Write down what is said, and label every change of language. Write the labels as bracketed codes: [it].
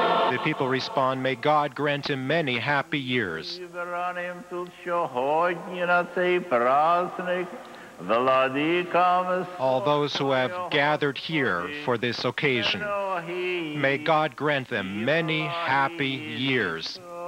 [en] The people respond, may God grant him many happy years. [uk] Зібраним тут сьогодні на цей праздник владикам. [en] All those who have gathered here for this occasion, may God grant them many happy years.